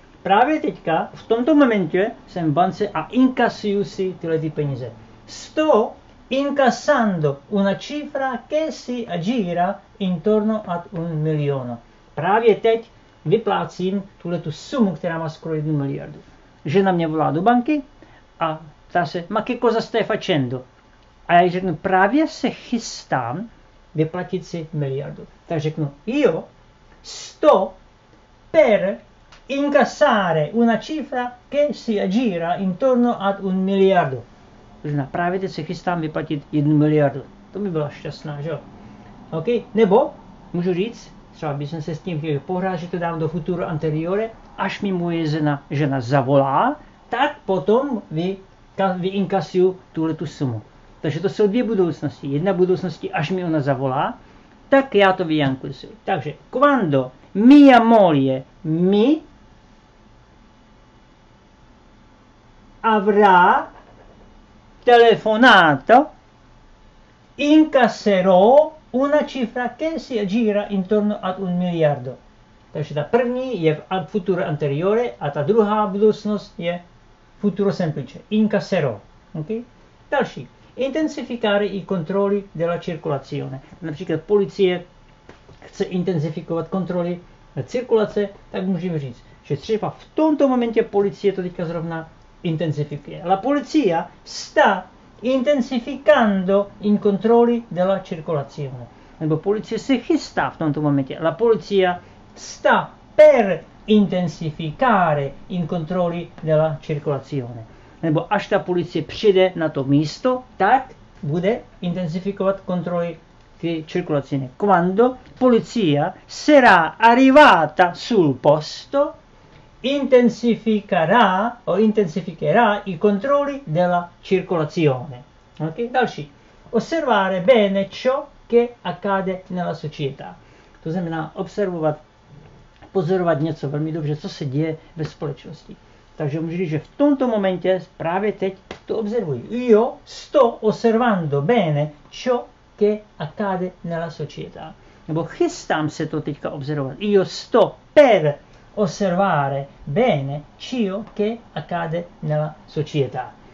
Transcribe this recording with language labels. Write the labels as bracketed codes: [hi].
[cs] Právě teďka, v tomto momentě, jsem v bance a inkasuju si tyhle ty peníze. [it] Sto incassando una cifra che si aggira intorno ad un milione. [cs] Právě teď vyplácím tuhle tu sumu, která má skoro 1 miliardu. Žena mě volá do banky a ptá se, [it] ma che cosa stai facendo? [cs] A já řeknu, právě se chystám vyplatit si miliardu. Tak řeknu, [it] io sto per incassare una cifra che si aggira intorno ad un miliardo. [cs] Znamená, právě teď se chystám vyplatit 1 miliardu. To by byla šťastná, že jo? Okay? Nebo můžu říct, třeba bych se s tím chtěl pohrát, že to dám do futuro anteriore, až mi moje žena zavolá, tak potom vyinkasuju tuhle tu sumu. Takže to jsou dvě budoucnosti. Jedna budoucnosti, až mi ona zavolá, tak já to vyinkasuju. Takže [it] quando mia moglie mi avrà telefonato, incasserò una cifra che si aggira intorno ad 1 miliardo. [cs] Takže ta první je v futuro anteriore a ta druhá budoucnost je futuro semplice. Incasserò. Okay? Další. [it] Intensificare i controlli della circolazione. [cs] Například policie chce intenzifikovat kontroly circulace, tak můžeme říct, že třeba v tomto momentě policie to teďka zrovna intenzifikuje. [it] La polizia sta intensificando i controlli della circolazione. [cs] Nebo policie se chystá v tomto momentě. [it] La polizia sta per intensificare i controlli della circolazione. [cs] Nebo až ta policie přijde na to místo, tak bude intenzifikovat kontroly circolazione. [it] Quando polizia sarà arrivata sul posto, intensificherà o intensificherà i controlli della circolazione. Okay? [cs] Dalsi, [it] osservare bene ciò che accade nella società. [cs] To znamená observovat, pozorovat něco velmi dobře, co se děje ve společnosti. Takže můžu říct, že v tomto momentě, právě teď, to observuji. [it] Io sto osservando bene ciò che accade nella società. [cs] Nebo chystám se to teďka observovat. [it] Io sto per osservare bene ciò che accade nella società.